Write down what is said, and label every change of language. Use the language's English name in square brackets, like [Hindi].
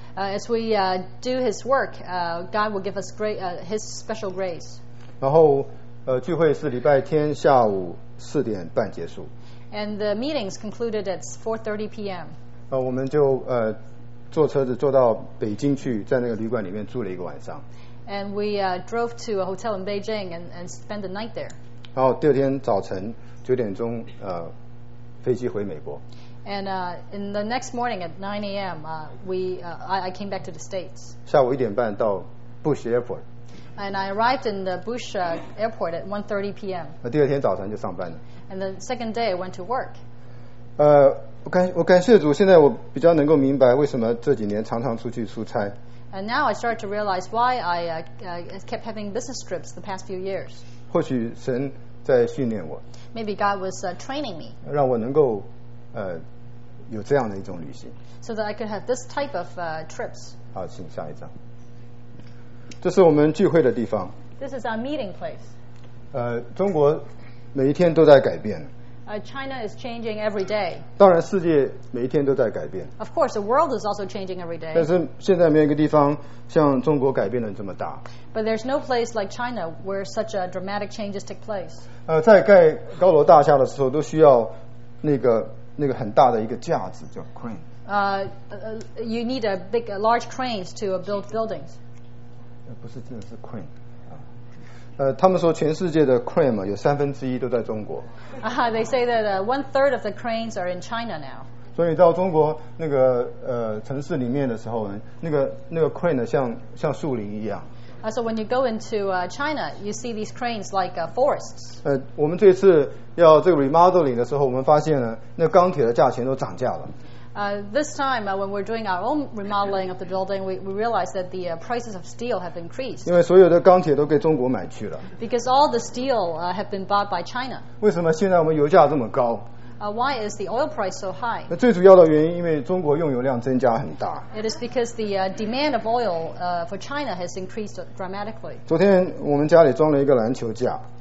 [English] As we do His work, God will give us great His special grace. [Chinese] 然后聚会是礼拜天下午四点半结束。 [English] And the meetings concluded at 4:30 p.m. [Chinese] 我们就坐车子坐到北京去，在那个旅馆里面住了一个晚上。 [English] And we drove to a hotel in Beijing and spent the night there. [Chinese] 然后第二天早晨九点钟飞机回美国。 [English] And in the next morning at 9 a.m., I came back to the States. [Chinese] 下午一点半到 Bush Airport. [English] And I arrived in the Bush Airport at 1:30 p.m. [Chinese] 第二天早晨就上班了。 [English] And the second day I went to work. [Chinese] 我感谢主，现在我比较能够明白为什么这几年常常出去出差。 [English] And now I started to realize why I kept having business trips the past few years. [Chinese] 或许神在训练我。 [English] Maybe God was training me. [Chinese] 让我能够有这样的一种旅行。 [English] So that I could have this type of trips. [Chinese] 好，请下一张。这是我们聚会的地方。 [English] This is our meeting place. [Chinese] 中国每一天都在改变。 [English] China is changing every day. [Chinese] 当然，世界每一天都在改变。 [English] Of course, the world is also changing every day. [Chinese] 但是现在没有一个地方像中国改变的这么大。 [English] But there's no place like China where such a dramatic changes take place. [Chinese] 在盖高楼大厦的时候，都需要那个很大的一个架子叫 crane. [English] You need a big, a large cranes to build buildings. [Chinese] 不是，真的是 crane. 他们说全世界的 crane 有三分之一都在中国。 [English] They say that one third of the cranes are in China now. [Chinese] 所以到中国那个城市里面的时候，那个 crane 像树林一样。 [English] So when you go into China, you see these cranes like forests. [Chinese] 我们这次要这个 remodeling 的时候，我们发现呢，那钢铁的价钱都涨价了。 [English] This time, when we're doing our own remodeling of the building, we realize that the prices of steel have increased. [Chinese] 因为所有的钢铁都给中国买去了。 [English] Because all the steel have been bought by China. [Chinese] 为什么现在我们油价这么高？ [English] Why is the oil price so high? [Chinese] 那最主要的原因，因为中国用油量增加很大。 [English] It is because the demand of oil for China has increased dramatically. [Chinese] 昨天我们家里装了一个篮球架。